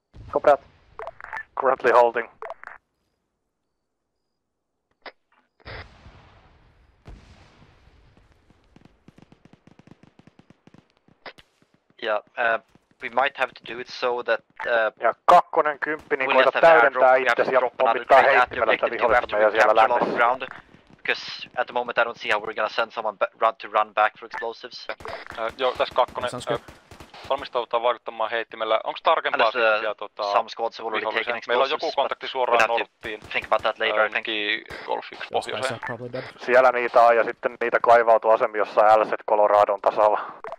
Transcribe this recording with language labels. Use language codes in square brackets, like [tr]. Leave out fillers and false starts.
[en] Copy. Currently holding. Yeah, we might have to do it so that... [fi] Yeah, kakkonen kymppinen koita täydentää itse ja pommittaa heittimellä tätä vihollista meidän siellä lännessä. [en] Because at the moment I don't see how we're gonna send someone run back for explosives. [fi] Joo, tässä kakkonen. Valmistautetaan vaikuttamaan heittimellä. Onko tarkempaa siellä [en] some squads have already taken explosives. [fi] Meillä on joku kontakti suoraan Norttiin. [en] Think about that later, I think. [fi] Golf 1 pohjoiseen. Siellä niitä on ja sitten niitä kaivautuu asemi, jossa LZ Coloradon tasalla.